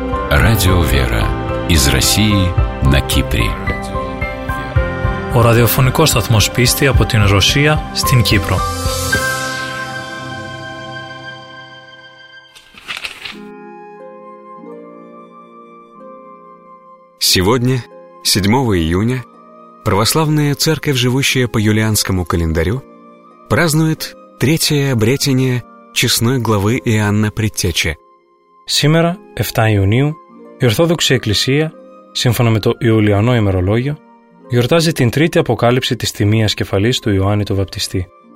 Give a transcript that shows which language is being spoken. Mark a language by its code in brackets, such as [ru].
[ru] Радио «Вера» из России на Кипре. [el] Ο ραδιοφωνικός σταθμός πίστη από την Ρωσία στην Κύπρο. [ru] Сегодня, 7 июня, православная церковь, живущая по юлианскому календарю, празднует третье обретение честной главы Иоанна Предтечи. Сегодня, 7 июня, [el] η Ορθόδοξη Εκκλησία, σύμφωνα με το Ιουλιανό ημερολόγιο, γιορτάζει την τρίτη αποκάλυψη της τιμίας κεφαλής του Ιωάννη του Βαπτιστή.